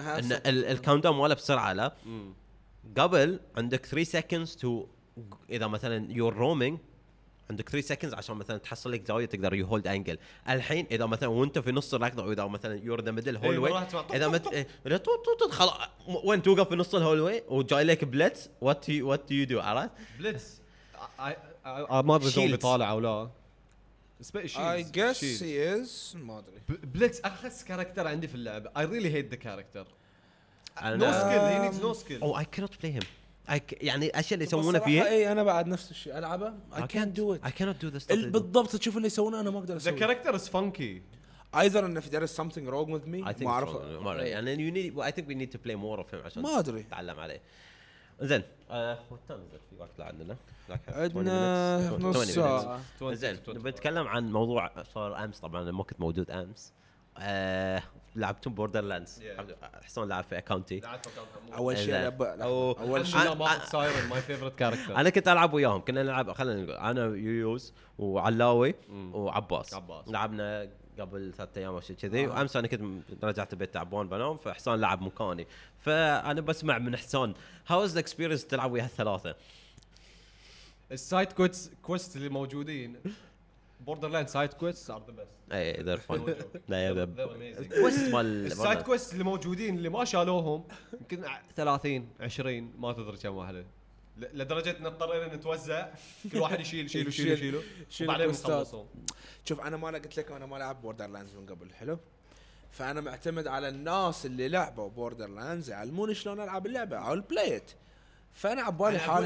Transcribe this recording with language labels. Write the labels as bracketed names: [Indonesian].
[Arabic] half ان الكاونت داون ماله بسرعه لا قبل عندك 3 seconds to إذا مثلاً you're roaming عندك 3 seconds عشان مثلاً تحصل لك زاوية تقدر you hold angle الحين إذا مثلاً وانت في نص الركضة أو إذا مثلاً [English] you're in the middle hallway [Arabic] إذا مثلاً خلاص وين توقف في نص الهولوي وجاي لك blitz [English] what do you do [Arabic] عرفت blitz ما أدري إذا بيطالع أو لا [English] I guess he is [Arabic] ما أدري [English] blitz [Arabic] أخس كاركتر عندي في اللعبة [English] I really hate the character No skill. He needs no skill. Oh, I cannot play him. [Arabic] يعني أشياء اللي يسوونه فيه. إيه أنا بعد نفس الشيء. ألعبه. [English] I can't do it. I cannot do this stuff. [Arabic] بالضبط تشوف اللي يسوونه أنا ما أقدر. [English] The character is funky. Either if there is something wrong with me. I think. And then you need. Well, I think we need to play more of him. [Arabic] ما أدري. تعلم عليه. زين. وتم زين في وقت لعندنا. عندنا نص ساعة. زين. بنتكلم عن موضوع صار أمس طبعاً ما كنت موجود أمس. لعبتم بوردرلاندز حسون لعب في اكاونتي اول شيء [English] my favourite character [Arabic] انا كنت العب وياهم كنا نلعب خلينا نقول انا يوز وعلاوي وعباس لعبنا قبل ثلاثة ايام او شيء كذي وامس انا كنت رجعت البيت تعبان بنام فحسون لعب مكاني فانا بسمع من حسون هاو از الاكسبيرينس تلعب ويا الثلاثه السايد كويست اللي موجودين [English] Borderlands side quests are the best. Hey, they're fun. They're amazing. [Arabic] Quests مال side quests اللي موجودين اللي ما شالوهم يمكن 30 20 ما تدري كم واحدة. لدرجة ان اضطرينا نتوزع كل واحد يشيل يشيل يشيل يشيل وبعدين نخلصهم. شوف انا ما قلت لك انا ما لعب Borderlands من قبل حلو؟ فانا معتمد على الناس اللي لعبوا Borderlands يعلموني شلون العب اللعبة او البلايت. فانا عبالي حالي